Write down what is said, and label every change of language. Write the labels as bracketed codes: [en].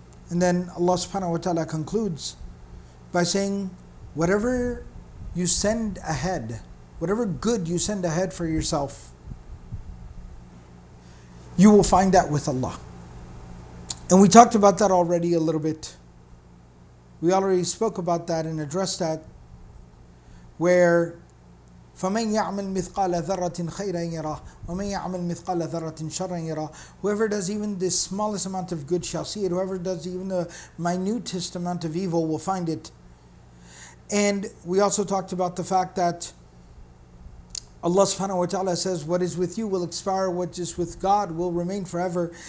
[en] And then Allah subhanahu wa ta'ala concludes by saying, whatever you send ahead, whatever good you send ahead for yourself, you will find that with Allah. And we talked about that already a little bit. We already spoke about that and addressed that, where [ar] فَمَنْ يَعْمَلْ مِثْقَالَ ذَرَّةٍ خَيْرًا يَرَهُ وَمَنْ يَعْمَلْ مِثْقَالَ ذَرَّةٍ شَرًّا يَرَهُ. [en] Whoever does even the smallest amount of good shall see it. Whoever does even the minutest amount of evil will find it. And we also talked about the fact that Allah subhanahu wa ta'ala says, what is with you will expire, what is with God will remain forever.